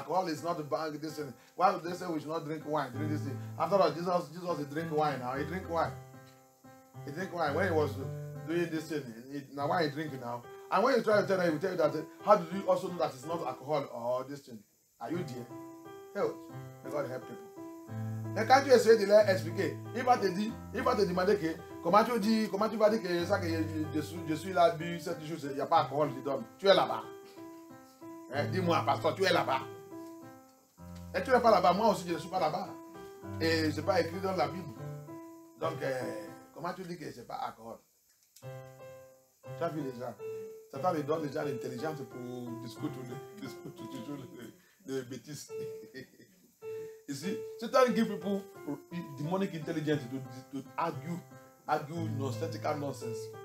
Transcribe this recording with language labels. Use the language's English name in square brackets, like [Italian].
[English] Alcohol is not a bad thing. Why would they say we should not drink wine? Drink this thing. After all, Jesus drink wine now. He drink wine. He drink wine. When he was doing this thing, why he drink now? And when you try to tell him, he will tell you that, how do you also know that it's not alcohol or this thing? Are you dear? Help. May God help people. [French] Et quand tu essaies de leur expliquer, il va te demander que comment tu vas dire que ça que je suis là, bu cette chose, il n'y a pas d'alcool qui donne. Tu es là-bas. Hein? Dis-moi, pasteur, tu es là-bas. Et tu n'es pas là-bas, moi aussi je ne suis pas là-bas. Et ce n'est pas écrit dans la Bible. Donc, comment tu dis que ce n'est pas d'alcool? Tu as vu les gens. Satan lui donne déjà l'intelligence pour discuter toujours de bêtises. [English] You see, Satan give people demonic intelligence to argue nonsensical nonsense.